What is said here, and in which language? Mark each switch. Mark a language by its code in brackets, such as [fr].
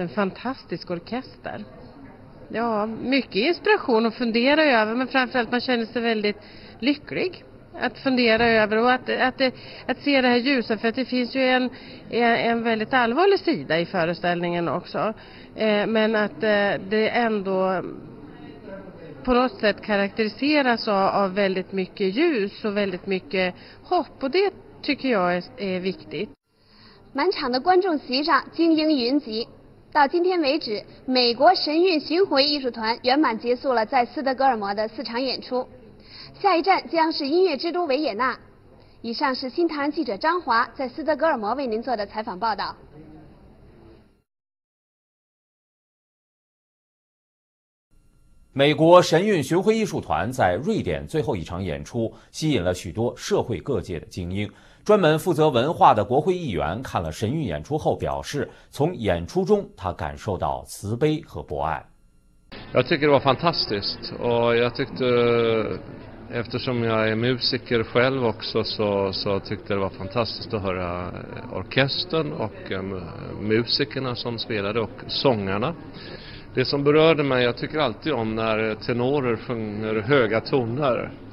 [sv] En fantastisk orkester. Ja, mycket inspiration att fundera över, men framförallt man känner sig väldigt lycklig att fundera över och att se det här ljuset, för att det finns ju en väldigt allvarlig sida i föreställningen också. Men att det ändå på något sätt karaktäriseras av väldigt mycket ljus och väldigt mycket hopp, och det tycker jag är viktigt. [zh] 满场的观众席上金鹰云集。到今天为止，美国神韵巡回艺术团圆满结束了在斯德哥尔摩的四场演出，下一站将是音乐之都维也纳。以上是新唐人记者张华在斯德哥尔摩为您做的采访报道。美国神韵巡回艺术团在瑞典最后一场演出吸引了许多社会各界的精英。专门负责文化的国会议员看了神韵演出后表示，从演出中他感受到慈悲和博爱。 [sv] Jag tycker det var fantastiskt, och jag tyckte eftersom jag är musiker själv också så tyckte det var fantastiskt att höra orkestern och musikerna som spelade och sångarna. Det som berörde mig, jag tycker alltid om när tenorer sjunger höga toner.